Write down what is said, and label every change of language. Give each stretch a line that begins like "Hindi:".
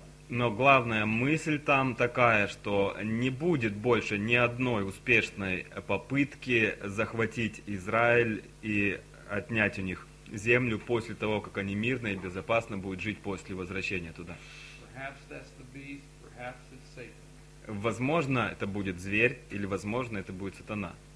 Russian: Но главная мысль там такая, что не будет больше ни одной успешной попытки захватить Израиль и отнять у них землю после того, как они мирно и безопасно будут жить после возвращения туда.
English: Perhaps that's the beast, perhaps it's Satan.
Russian: Возможно, это будет зверь, или возможно, это будет сатана.